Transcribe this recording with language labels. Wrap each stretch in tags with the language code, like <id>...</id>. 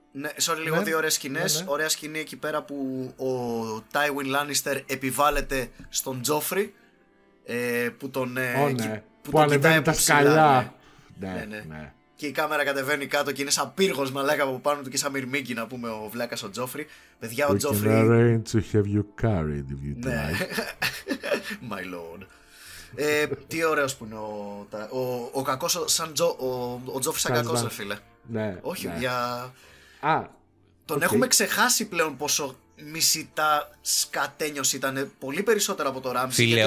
<el>Ναι, sorry, λίγο, δύο ωραίες σκηνές. Ναι, ναι. Ωραία σκηνή εκεί πέρα που ο Tywin Lannister επιβάλλεται στον Τζόφρι, που τον, ναι, που τον κοιτάει από ψηλά. Ναι. Ναι, ναι, ναι, ναι. Και η κάμερα κατεβαίνει κάτω και είναι σαν πύργος, μαλάκα, από πάνω του και σαν μυρμήγκι, να πούμε, ο βλάκας ο Τζόφρι. Παιδιά, ο Τζόφρι...</el> <en>We can arrange to have you carried if you die.</en> <el>Ναι.</el> <en>My lord.</en> <el>τι ωραίος που είναι ο κακός σαν ο Τζόφρι σαν κακός, ρε φίλε. Ναι. Όχι, ναι. Για... Α, τον, okay, έχουμε ξεχάσει πλέον πόσο μισητά σκατένιος ήταν, πολύ περισσότερο από το Ράμσι. Φίλε, γιατί</el>